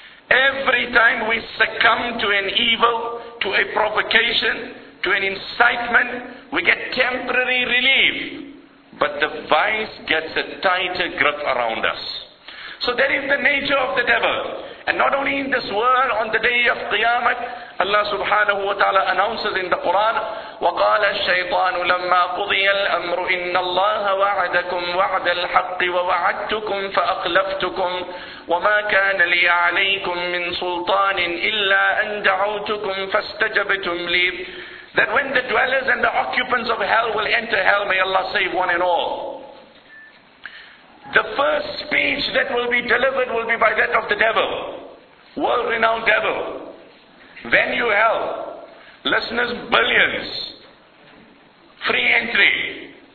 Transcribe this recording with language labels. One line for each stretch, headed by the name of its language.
English: Every time we succumb to an evil, to a provocation, to an incitement, we get temporary relief, but the vice gets a tighter grip around us. So that is the nature of the devil. And not only in this world, on the day of Qiyamah, Allah subhanahu wa ta'ala announces in the Quran,
Arabic: وَقَالَ الشَّيْطَانُ لَمَّا قُضِيَ الْأَمْرُ إِنَّ اللَّهَ وَعَدَكُمْ وَعَدَ الْحَقِّ وَوَعَدْتُكُمْ فَأَخْلَفْتُكُمْ وَمَا كَانَ لِي عَلَيْكُمْ مِنْ سُلْطَانٍ إِلَّا أَنْ دَعَوْتُكُمْ فَاسْتَجَبْتُمْ لِي.
English: That when the dwellers and the occupants of hell will enter hell, may Allah save one and all. The first speech that will be delivered will be by that of the devil. World-renowned devil. Venue hell. Listeners, billions. Free entry.